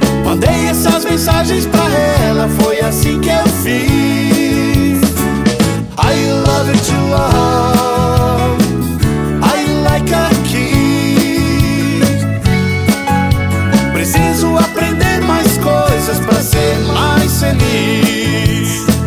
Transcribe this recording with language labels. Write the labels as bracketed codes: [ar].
[pt] Mandei essas mensagens pra ela, foi assim que eu fiz. [en] I love to love, I like a kiss. [pt] Preciso aprender mais coisas pra ser mais feliz.